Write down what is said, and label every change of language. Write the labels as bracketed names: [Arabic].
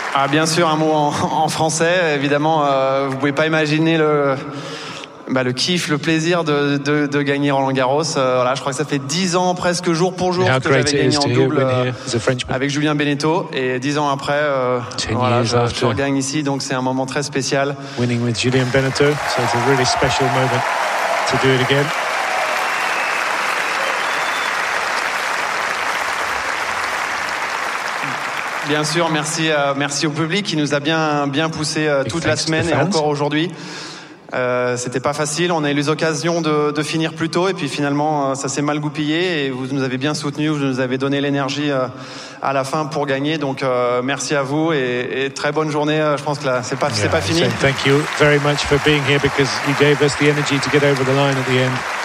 [French] Bien sûr, un mot en français, évidemment, vous pouvez pas imaginer le kiff, le plaisir de gagner Roland Garros. Voilà, je crois que ça fait 10 ans presque jour pour jour que j'avais gagné en double avec Julien Beneteau, et 10 ans après, je regagne ici. Donc c'est un moment très spécial. [English] Winning with Julien Beneteau, so it's a really special moment to do it again. [French] Bien sûr, merci au public qui nous a bien poussé toute la semaine et encore aujourd'hui. C'était pas facile, on a eu l'occasion de finir plus tôt, et puis finalement ça s'est mal goupillé, et vous nous avez bien soutenus, vous nous avez donné l'énergie à la fin pour gagner, donc merci à vous et très bonne journée. Je pense que là c'est pas fini. [English] So thank you very much for being here because you gave us the energy to get over the line at the end.